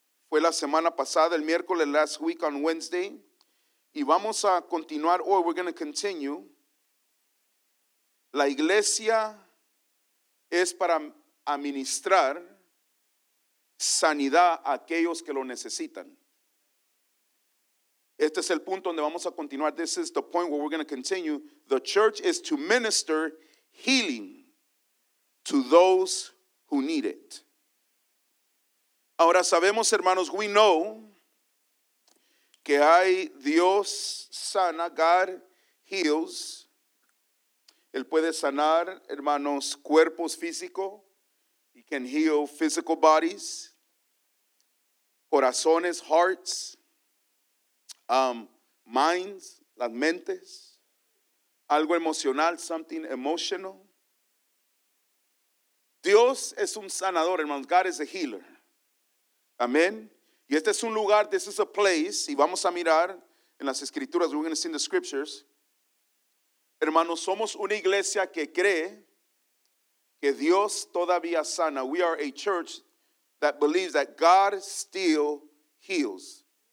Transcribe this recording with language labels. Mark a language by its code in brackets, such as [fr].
[es] Fue la semana pasada, el miércoles, [en] last week on Wednesday. [es] Y vamos a continuar, [en] or we're going to continue. [es] La iglesia es para administrar sanidad a aquellos que lo necesitan. Este es el punto donde vamos a continuar. [en] This is the point where we're going to continue. The church is to minister healing to those who need it. [es] Ahora sabemos, hermanos, [en] we know [es] que hay Dios sana, [en] God heals. [es] Él puede sanar, hermanos, cuerpos físicos. [en] He can heal physical bodies, [es] corazones, [en] hearts, minds, [es] las mentes, algo emocional, [en] something emotional. [es] Dios es un sanador, hermanos, [en] God is a healer. [es] Amén. Y este es un lugar, [en] this is a place, [es] y vamos a mirar en las escrituras, [en] we're going to see in the scriptures. [es] Hermanos, somos una iglesia que cree que Dios todavía sana. [en] We are a church that believes that God still heals.